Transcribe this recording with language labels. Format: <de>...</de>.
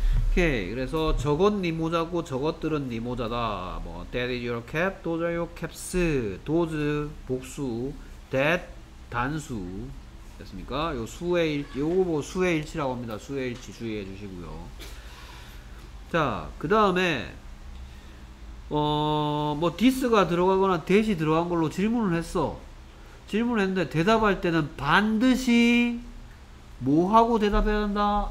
<ko>오케이, 그래서 저건 네 모자고 저것들은 네 모자다.</ko> <en>뭐, that is your cap, those are your caps, those 복수, that 단수,</en> <ko>됐습니까? 요 수의 일치, 요거 뭐 수의 일치라고 합니다. 수의 일치 주의해 주시고요. 자, 그 다음에 뭐 this가 들어가거나 that이 들어간 걸로 질문을 했어. 질문을 했는데 대답할 때는 반드시 뭐하고 대답해야 된다?</ko>